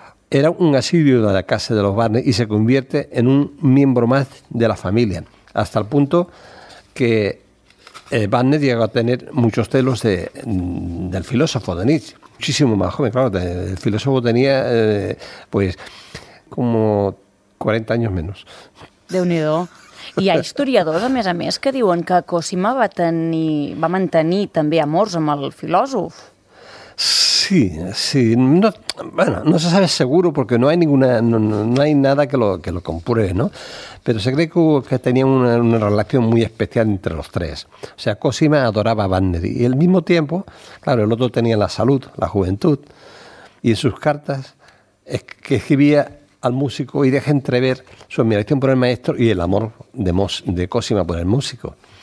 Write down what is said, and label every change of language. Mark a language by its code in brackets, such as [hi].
[es] Era un asiduo de la casa de los Wagner y se convierte en un miembro más de la familia, hasta el punto que Wagner llegó a tener muchos celos del filósofo de Nietzsche, muchísimo más joven, claro. El filósofo tenía pues como 40 años menos. [ca] Déu-n'hi-do. Hi ha historiadors, a més, que diuen que Cosima va mantenir també amors amb el filòsof. Sí, sí. [es] No, bueno, no se sabe seguro porque no hay nada que lo compruebe, ¿no? Pero se cree que tenían una relación muy especial entre los tres. O sea, Cosima adoraba a Wagner y al mismo tiempo, claro, el otro tenía la salud, la juventud, y en sus cartas que escribía al músico y deja entrever su admiración por el maestro y el amor de Cosima por el músico.